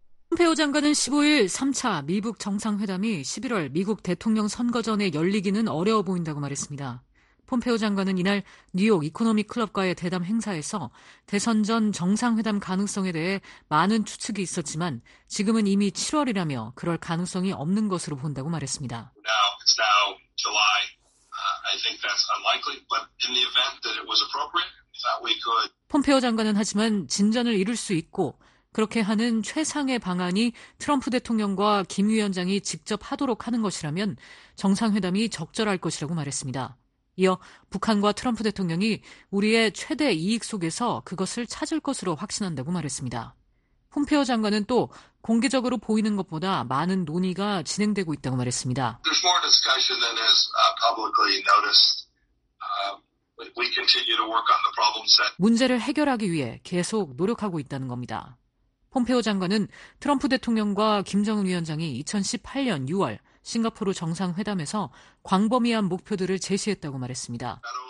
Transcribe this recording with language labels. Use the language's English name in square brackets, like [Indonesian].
[Korean] 폼페오 장관은 15일 3차 미국 정상회담이 11월 미국 대통령 선거 전에 열리기는 어려워 보인다고 말했습니다. 폼페오 장관은 이날 뉴욕 이코노믹 클럽과의 대담 행사에서 대선 전 정상회담 가능성에 대해 많은 추측이 있었지만 지금은 이미 7월이라며 그럴 가능성이 없는 것으로 본다고 말했습니다. [English] Now, it's now July. I think that's unlikely, but in the event that it was appropriate, that we could. [Korean] 폼페오 장관은 하지만 진전을 이룰 수 있고 그렇게 하는 최상의 방안이 트럼프 대통령과 김 위원장이 직접 하도록 하는 것이라면 정상회담이 적절할 것이라고 말했습니다. 이어 북한과 트럼프 대통령이 우리의 최대 이익 속에서 그것을 찾을 것으로 확신한다고 말했습니다. 폼페오 장관은 또 공개적으로 보이는 것보다 많은 논의가 진행되고 있다고 말했습니다. [English] There's more discussion than is publicly noticed. We continue to work on the problem set. [Korean] 문제를 해결하기 위해 계속 노력하고 있다는 겁니다. 폼페오 장관은 트럼프 대통령과 김정은 위원장이 2018년 6월 싱가포르 정상회담에서 광범위한 목표들을 제시했다고 말했습니다.